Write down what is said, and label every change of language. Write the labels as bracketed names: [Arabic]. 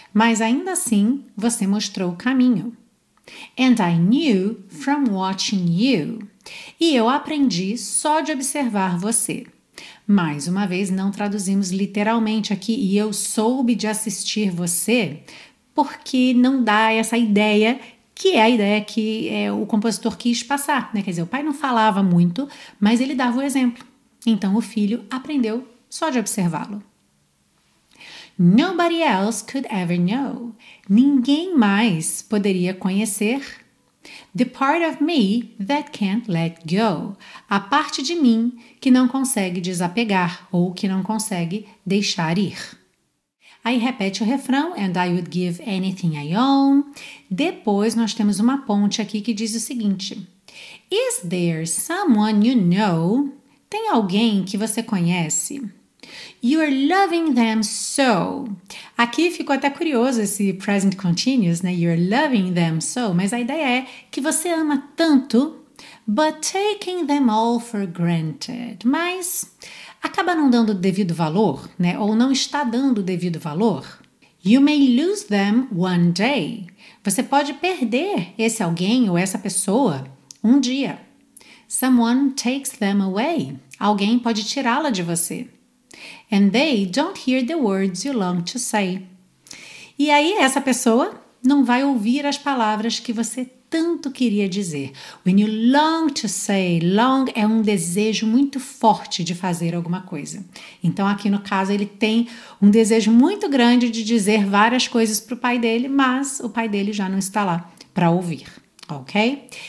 [Portuguese] Mas ainda assim, você mostrou o caminho. [English] And I knew from watching you. [Portuguese] E eu aprendi só de observar você. Mais uma vez, não traduzimos literalmente aqui, e eu soube de assistir você, porque não dá essa ideia que é a ideia que o compositor quis passar, né? Quer dizer, o pai não falava muito, mas ele dava o exemplo. Então, o filho aprendeu só de observá-lo. [English] Nobody else could ever know. [Portuguese] Ninguém mais poderia conhecer. [English] The part of me that can't let go. [Portuguese] A parte de mim que não consegue desapegar ou que não consegue deixar ir. Aí repete o refrão, [English] and I would give anything I own. [Portuguese] Depois nós temos uma ponte aqui que diz o seguinte. [English] Is there someone you know? [Portuguese] Tem alguém que você conhece? [English] You're loving them so. [Portuguese] Aqui ficou até curioso esse present continuous, né? [English] You're loving them so. [Portuguese] Mas a ideia é que você ama tanto, [English] but taking them all for granted. [Portuguese] Mas acaba não dando o devido valor, né? Ou não está dando o devido valor. [English] You may lose them one day. [Portuguese] Você pode perder esse alguém ou essa pessoa um dia. [English] Someone takes them away. [Portuguese] Alguém pode tirá-la de você. [English] And they don't hear the words you long to say. [Portuguese] E aí essa pessoa não vai ouvir as palavras que você tanto queria dizer. [English] When you long to say, [Portuguese] long é um desejo muito forte de fazer alguma coisa. Então aqui no caso ele tem um desejo muito grande de dizer várias coisas para o pai dele, mas o pai dele já não está lá para ouvir, ok?